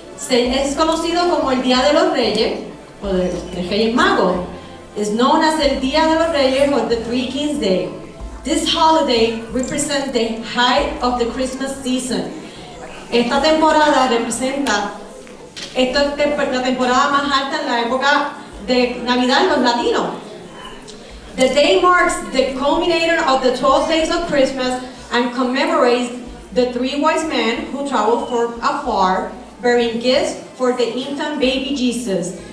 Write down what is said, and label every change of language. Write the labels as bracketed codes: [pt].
[es] Es conocido como el Día de los Reyes, o de los Reyes Magos. [en] It's known as el Día de los Reyes, or the Three Kings Day. This holiday represents the height of the Christmas season. [es] Esta temporada representa la temporada más alta en la época de Navidad los latinos. [en] The day marks the culmination of the 12 days of Christmas and commemorates the three wise men who traveled from afar bearing gifts for the infant baby Jesus.